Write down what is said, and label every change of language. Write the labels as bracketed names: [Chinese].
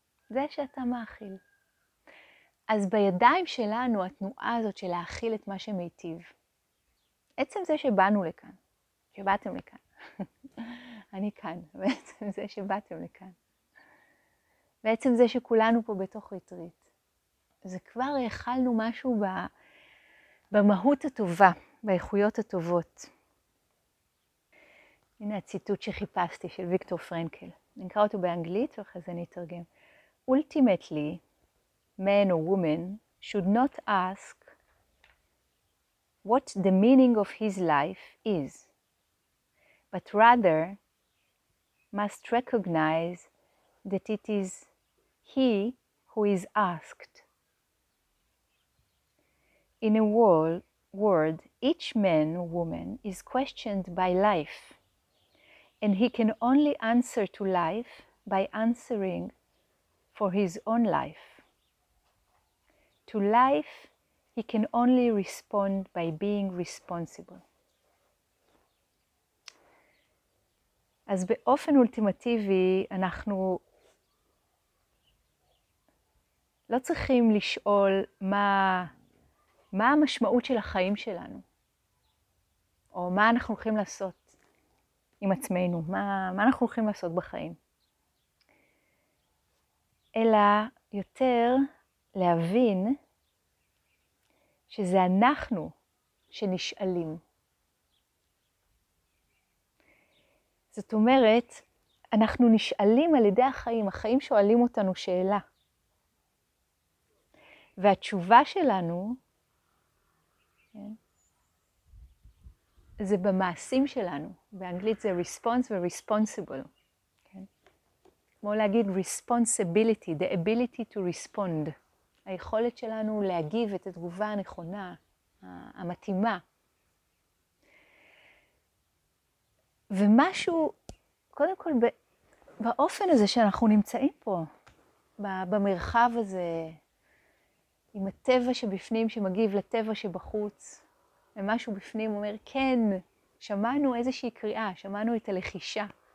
[Hebrew] זה שאתה מאכיל. אז בידיים שלנו, התנועה הזאת של להאכיל את מה שמיטיב, עצם זה שבאנו לכאן, שבאתם לכאן, אני כאן, בעצם זה שבאתם לכאן, בעצם זה שכולנו פה בתוך ריטריט, זה כבר האכלנו משהו ב... במהות הטובה, באיכויות הטובות. הנה הציטוט שחיפשתי של ויקטור פרנקל. אני אקרא אותו באנגלית ואחרי זה אני אתרגם. [English] Ultimately, man or woman should not ask what the meaning of his life is, but rather must recognize that it is he who is asked. In a world, each man or woman is questioned by life, and he can only answer to life by answering for his own life. To life, he can only respond by being responsible. [Hebrew] אז באופן אולטימטיבי אנחנו לא צריכים לשאול מה המשמעות של החיים שלנו? או מה אנחנו הולכים לעשות עם עצמנו? מה אנחנו הולכים לעשות בחיים? אלא יותר להבין שזה אנחנו שנשאלים. זאת אומרת, אנחנו נשאלים על ידי החיים, החיים שואלים אותנו שאלה. והתשובה שלנו, כן? זה במעשים שלנו. באנגלית זה response ו-responsible. כן? כמו להגיד [English] responsibility, the ability to respond. [Hebrew] היכולת שלנו להגיב את התגובה הנכונה, המתאימה. ומשהו, קודם כל, באופן הזה שאנחנו נמצאים פה, במרחב הזה, עם הטבע שבפנים שמגיב לטבע שבחוץ, ומשהו בפנים אומר, כן, שמענו איזושהי קריאה, שמענו את הלחישה.